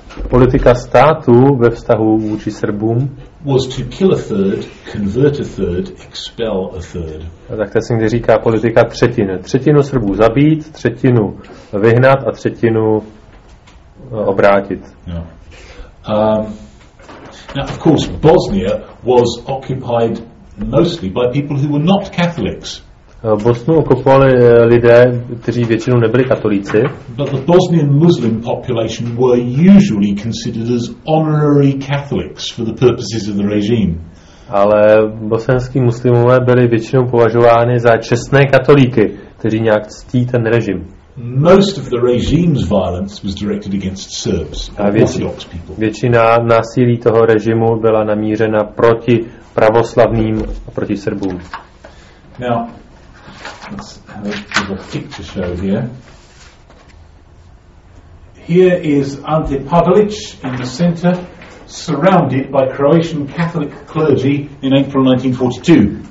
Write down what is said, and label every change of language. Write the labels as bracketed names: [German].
[Czech] Politika státu ve vztahu vůči Srbům [English] was to kill a third, convert a third, expel a third. [Czech] A tak to se někdy říká politika třetiny. Třetinu Srbů zabít, třetinu vyhnat a třetinu obrátit. [English] Yeah. Now, of course, Bosnia was occupied mostly by people who were not Catholics. [Czech] Bosnu okupovali lidé, kteří většinou nebyli katolíci. [English] But the Bosnian Muslim population were usually considered as honorary Catholics for the purposes of the regime. [Czech] Ale bosenský muslimové byli většinou považováni za čestné katolíky, kteří nějak ctí ten režim. [English] Most of the regime's violence was directed against Serbs, Orthodox people. [Czech] Většina násilí toho režimu byla namířena proti pravoslavným a proti Srbům. [English] Now, let's have a picture show here. Here is Ante Pavelić in the center, surrounded by Croatian Catholic clergy in April 1942.